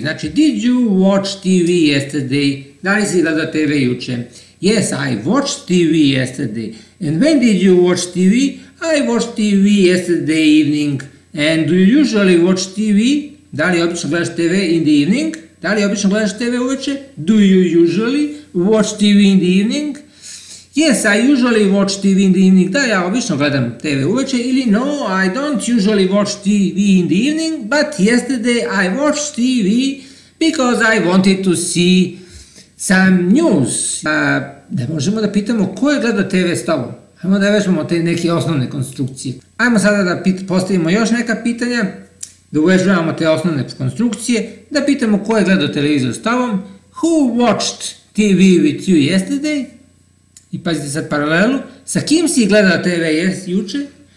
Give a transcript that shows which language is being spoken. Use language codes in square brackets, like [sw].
[sr] Znači, [en] did you watch TV yesterday? [sr] Da li si gledao TV juče? [en] Yes, I watched TV yesterday. And when did you watch TV? I watched TV yesterday evening. And do you usually watch TV? [sr] Da li obično gledaš TV [en] in the evening? [sr] Da li obično gledaš TV uveče? [en] Do you usually watch TV in the evening? Yes, I usually watch TV in the evening. [sr] Da, ja obično gledam TV uveče. Ili [en] no, I don't usually watch TV in the evening, but yesterday I watched TV because I wanted to see some news. [sr] Da možemo da pitamo ko je gledao TV s tobom? Ajmo da vežbamo te neke osnovne konstrukcije. Ajmo sada da postavimo još neka pitanja, da uvežavamo te osnovne konstrukcije, da pitamo ko je gledao televizor s tobom, [en] who watched TV with you yesterday, [sr] i pazite sad paralelu, sa kim si gledao TV juče,